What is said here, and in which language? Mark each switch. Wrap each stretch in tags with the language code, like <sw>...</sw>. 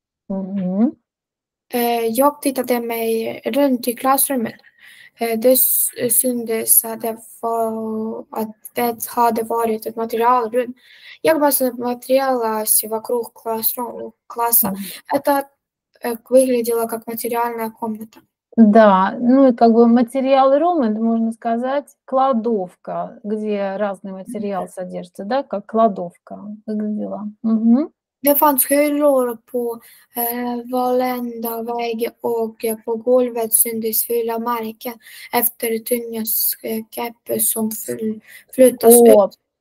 <sv>Jag tittade mig runt i klassrummet. Det syntes att det hade varit ett materialrum.</sv> <ru>Jag посмотрелась вокруг класса. Это выглядело как материальная комната. Да, ну и как бы материал рум, это можно сказать, кладовка, где разный материал содержится, да, как кладовка выглядела.</ru> <sv>Det fanns hyllor på varenda väg och på golvet syntes fylla marken efter tunga skåp som flyttas ut.</sv>